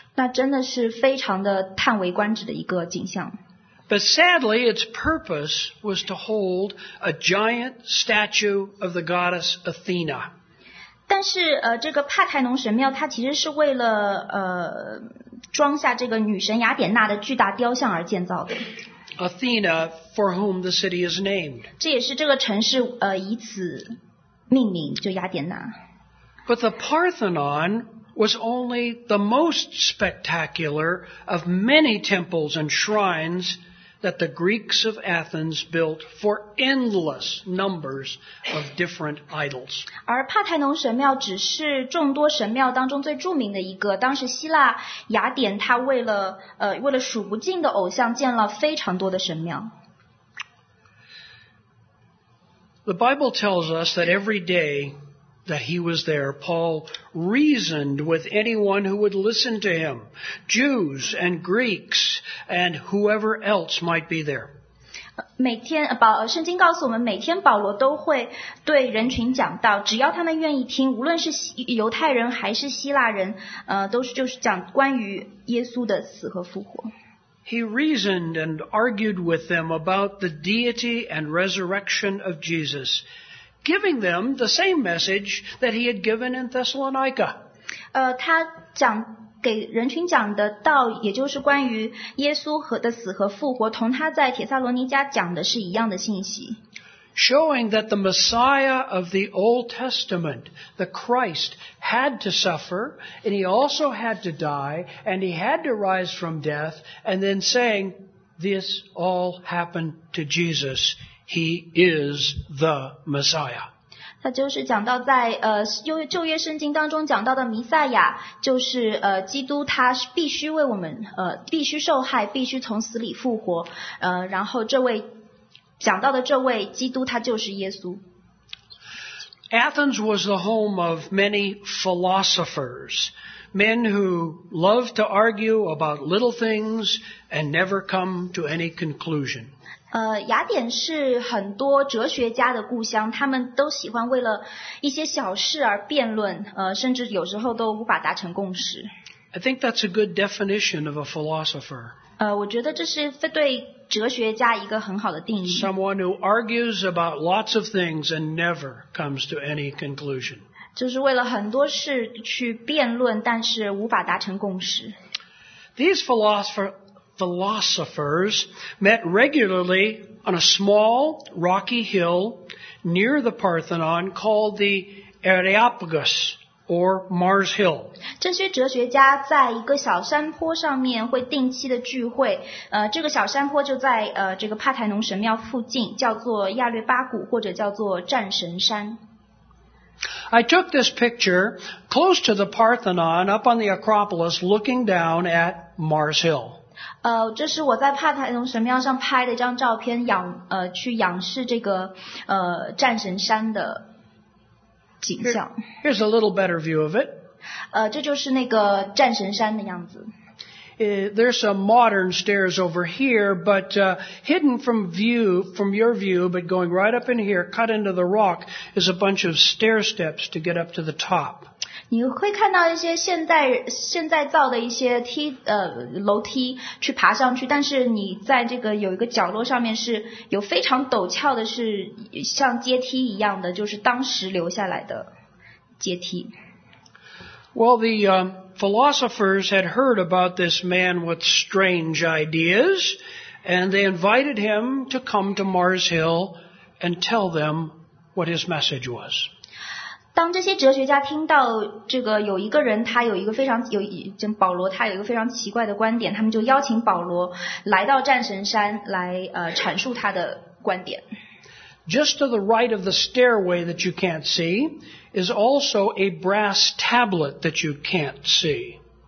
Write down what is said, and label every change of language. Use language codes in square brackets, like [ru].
[zh] 那真的是非常的叹为观止的一个景象。 [en] But sadly, its purpose was to hold a giant statue of the goddess Athena. [zh] 但是这个帕台农神庙它其实是为了装下这个女神雅典娜的巨大雕像而建造的。 [en] Athena, for whom the city is named. [zh] 这也是这个城市以此命名，就雅典娜。 [en] But the Parthenon was only the most spectacular of many temples and shrines that the Greeks of Athens built for endless numbers of different idols. [zh] 而帕台农神庙只是众多神庙当中最著名的一个，当时希腊雅典它为了数不尽的偶像建了非常多的神庙。 [en] The Bible tells us that every day that he was there, Paul reasoned with anyone who would listen to him, Jews and Greeks and whoever else might be there. [zh] 每天保圣经告诉我们，每天保罗都会对人群讲道，只要他们愿意听，无论是犹太人还是希腊人，都是就是讲关于耶稣的死和复活。 [en] He reasoned and argued with them about the deity and resurrection of Jesus, giving them the same message that he had given in Thessalonica. [zh] 他讲给人群讲的道，也就是关于耶稣的死和复活，同他在帖撒罗尼迦讲的是一样的信息。 [en] Showing that the Messiah of the Old Testament, the Christ, had to suffer, and he also had to die, and he had to rise from death, and then saying, this all happened to Jesus. He is the Messiah. [zh] 他就是讲到在旧约圣经当中讲到的弥赛亚，就是基督，他必须为我们必须受害，必须从死里复活，然后这位讲到的这位基督，他就是耶稣。 [en] Athens was the home of many philosophers, men who loved to argue about little things and never come to any conclusion. [zh] 雅典是很多哲学家的故乡，他们都喜欢为了一些小事而辩论，甚至有时候都无法达成共识。 [en] I think that's a good definition of a philosopher. [zh] 我觉得这是对哲学家一个很好的定义。 [en] Someone who argues about lots of things and never comes to any conclusion. [zh] 就是为了很多事去辩论，但是无法达成共识。 [en] These philosophers met regularly on a small rocky hill near the Parthenon called the Areopagus. Or Mars Hill. [zh] 这些哲学家在一个小山坡上面会定期的聚会。这个小山坡就在这个帕台农神庙附近，叫做亚略巴谷，或者叫做战神山。 [en] I took this picture close to the Parthenon, up on the Acropolis, looking down at Mars Hill. [zh] 这是我在帕台农神庙上拍的一张照片，去仰视这个战神山的。 [en] Here's a little better view of it. [zh] 这就是那个战神山的样子。 [en] There's some modern stairs over here, but hidden from your view, but going right up in here, cut into the rock, is a bunch of stair steps to get up to the top. [zh] 你会看到一些现在造的一些楼梯去爬上去，但是你在这个有一个角落上面是有非常陡峭的，是像阶梯一样的，就是当时留下来的阶梯。 [en] Well, the philosophers had heard about this man with strange ideas, and they invited him to come to Mars Hill and tell them what his message was. [zh] 当这些哲学家听到这个有一个人，他有一个非常有就保罗，他有一个非常奇怪的观点，他们就邀请保罗来到战神山来阐述他的观点。 [en] Just to the right of the stairway that you can't see is also a brass tablet that you can't see.